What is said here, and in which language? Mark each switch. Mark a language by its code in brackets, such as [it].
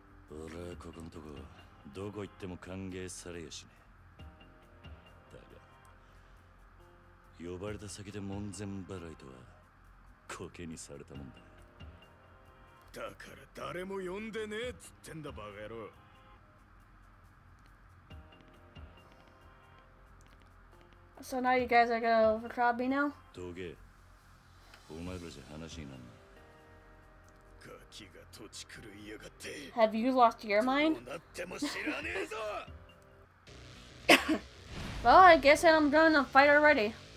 [ja] 俺はここのとこどこ行っても歓迎されやしね。だが呼ばれた先で門前払いとは苔にされたもんだ。だから誰も呼んでねえっつってんだバカ野郎。 [en] So now you guys are gonna overcrowd me now? [ja] どげ。お前らじゃ話になんない。ガキが土地狂いやがって。 [en] Have you lost your mind? [ja] どうなっても知らねえぞ。 [en] Well, I guess I'm going to fight already.